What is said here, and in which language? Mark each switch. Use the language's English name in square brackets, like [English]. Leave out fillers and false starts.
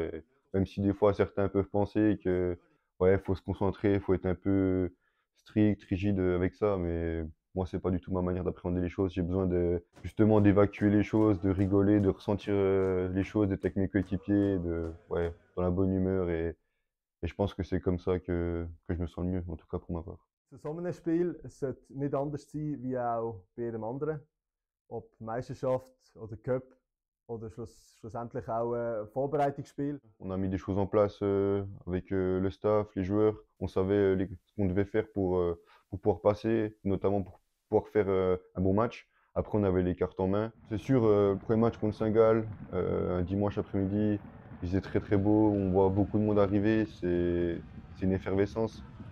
[French] Et même si des fois, certains peuvent penser que ouais, faut se concentrer, faut être un peu strict, rigide avec ça. Mais moi, c'est pas du tout ma manière d'appréhender les choses. J'ai besoin de justement d'évacuer les choses, de rigoler, de ressentir les choses, d'être avec mes coéquipiers, de ouais, dans la bonne humeur. Et je pense que c'est comme ça que je me sens le mieux, en tout cas pour ma part. [German] Zu so einem Spiel sollte es nicht anders sein wie auch bei jedem anderen. Ob Meisterschaft oder Cup oder schlussendlich auch ein Vorbereitungsspiel. [French] On a mis des choses en place avec le staff, les joueurs. On savait ce qu'on devait faire pour pouvoir passer, notamment pour pouvoir faire un bon match. Après, on avait les cartes en main. C'est sûr, le premier match contre Saint-Gall, un dimanche après-midi. Il faisait très très beau, on voit beaucoup de monde arriver, c'est une effervescence.